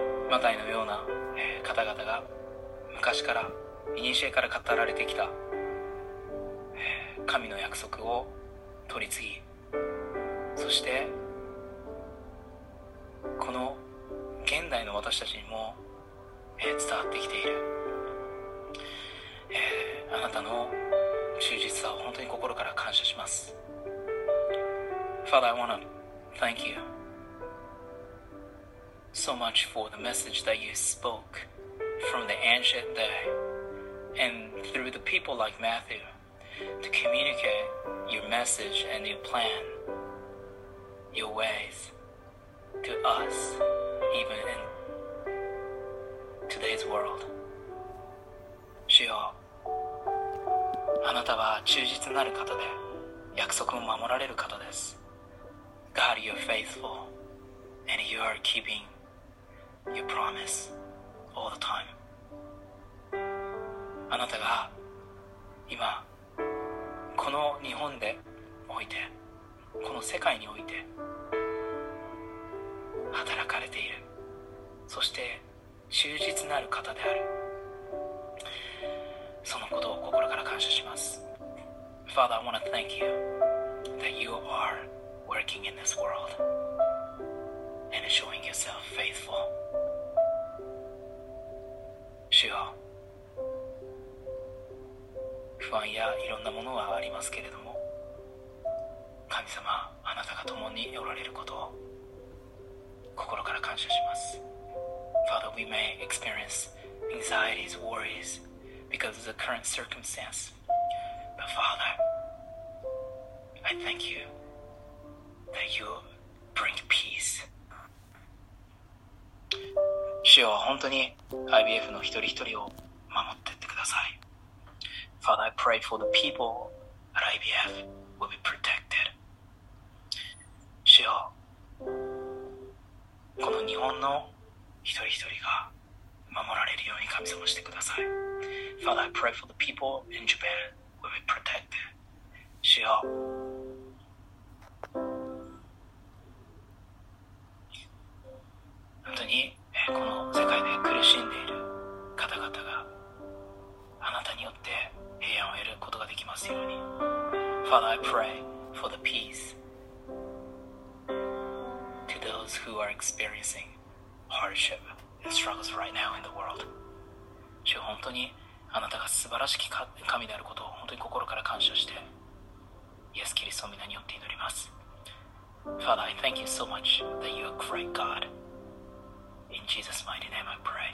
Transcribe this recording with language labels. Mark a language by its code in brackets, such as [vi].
[ja] マタイのような方々が昔から古から語られてきた神の約束を取り継ぎ、そしてこの現代の私たちにも伝わってきている、あなたの忠実さを本当に心から感謝します。 [en] Father, I want to thank youSo much for the message that you spoke from the ancient day and through the people like Matthew to communicate your message and your plan, your ways to us, even in today's world. [ja] 主よ、あなたは忠実なる方で、約束を守られる方です。 [en] God, you're faithful and you are keepingYour promise all the time. [ja] あなたが今この日本でおいて、この世界において働かれている、そして忠実なる方である、そのことを心から感謝します。 [en] Father, I want to thank you that you are working in this world and showing yourself faithful. [ja] 主よ、不安やいろんなものはありますけれども、神様、あなたが共におられることを心から感謝します。 [en] Father, we may experience anxieties, worries because of the current circumstance, but Father, I thank you that you bring peace. [ja] 主よ、本当に IBF の一人一人を守ってってください。 [en] Father, I pray for the people at IBF will be protected. [ja] 主よ、この日本の一人一人が守られるように神様してください。 [en] Father, I pray for the people in Japan will be protected. [ja] 主よ、本当にこの世界で苦しんでいる方々があなたによって平安を得ることができますように。 [en] Father, I pray for the peace to those who are experiencing hardship and struggles right now in the world. [ja] 主、本当にあなたが素晴らしき神であることを本当に心から感謝して、イエス・キリストの皆によって祈ります。 [en] Father, I thank you so much that you are a great God. In Jesus' mighty name, I pray.